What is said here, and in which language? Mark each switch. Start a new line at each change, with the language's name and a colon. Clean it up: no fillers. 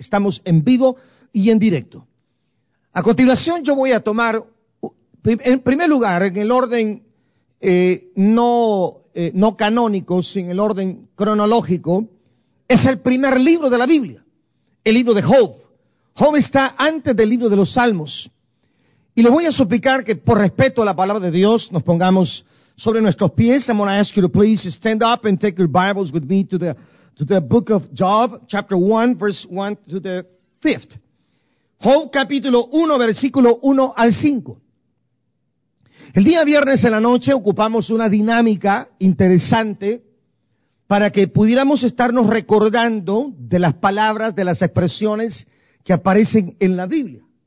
Spanish: Estamos en vivo y en directo. A continuación yo voy a tomar, en primer lugar, en el orden no canónico, sino el orden cronológico, es el primer libro de la Biblia, el libro de Job. Job está antes del libro de los Salmos. Y les voy a suplicar que, por respeto a la palabra de Dios, nos pongamos sobre nuestros pies.
English: I'm going to ask you to please stand up and take your Bibles with me to the book of Job, chapter 1, verse 1 to the 5th.
Spanish: Job, capítulo 1, versículo 1 al 5. El día viernes en la noche ocupamos una dinámica interesante para que pudiéramos estarnos recordando de las palabras, de las expresiones que aparecen en la Biblia.